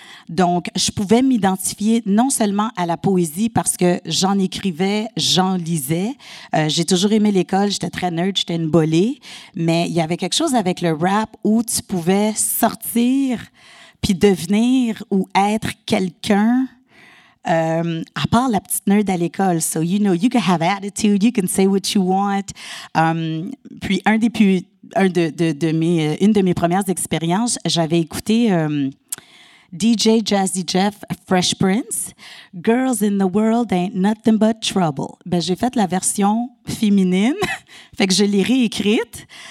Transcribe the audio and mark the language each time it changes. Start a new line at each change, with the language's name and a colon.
French: Donc, je pouvais m'identifier non seulement à la poésie parce que j'en écrivais, j'en lisais. J'ai toujours aimé l'école, j'étais très nerd, j'étais une bolée. Mais il y avait quelque chose avec le rap où tu pouvais sortir puis devenir ou être quelqu'un, à part la petite nerd à l'école.
English: So, you know, you can have attitude, you can say what you want.
French: Puis une de mes premières expériences, j'avais écouté...
English: DJ Jazzy Jeff, Fresh Prince, Girls in the World Ain't Nothing But Trouble.
French: Ben, j'ai fait la version féminine, fait que je l'ai réécrite.